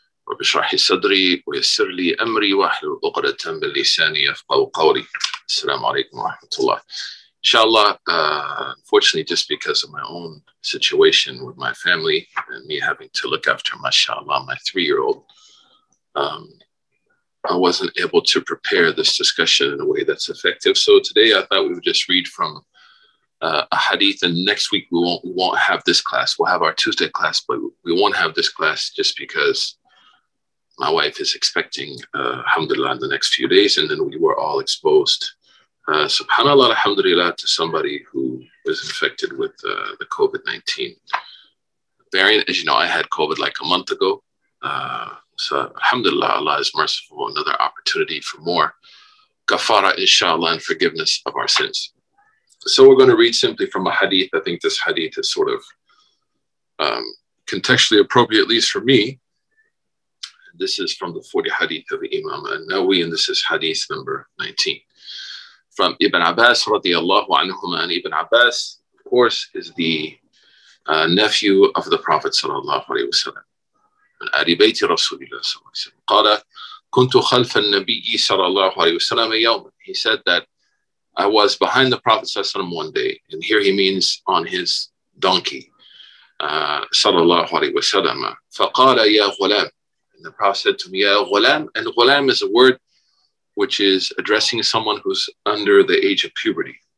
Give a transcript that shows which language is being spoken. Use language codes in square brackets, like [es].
[ar] رب اشرح صدري ويسر لي أمري واحلل عقدة من لساني يفقهوا قولي السلام عليكم ورحمة الله [en] Inshallah, unfortunately, just because of my own situation with my family and me having to look after, mashallah, my three-year-old, I wasn't able to prepare this discussion in a way that's effective. So today I thought we would just read from a hadith, and next week we won't have this class. We'll have our Tuesday class, but we won't have this class just because my wife is expecting, alhamdulillah, in the next few days, and then we were all exposed. Subhanallah, alhamdulillah, to somebody who was infected with the COVID-19 variant. As you know, I had COVID like a month ago. So alhamdulillah, Allah is merciful. Another opportunity for more kafara, inshallah, and forgiveness of our sins. So we're going to read simply from a hadith. I think this hadith is sort of contextually appropriate, at least for me. This is from the 40 hadith of Imam An-Nawawi, and this is hadith number 19. From Ibn Abbas radiallahu anhuma, and Ibn Abbas, of course, is the nephew of the Prophet sallallahu alayhi wa sallam. [ar] من آل بيت رسول الله صلى الله عليه وسلم قال كنت خلف النبي صلى الله عليه وسلم يوما. [en] He said that I was behind the Prophet صلى الله عليه وسلم one day, and here he means on his donkey صلى الله عليه وسلم. [ar] فقال يا غلام, [en] and the Prophet said to me, يا غلام, and غلام is a word which is addressing someone who's under the age of puberty.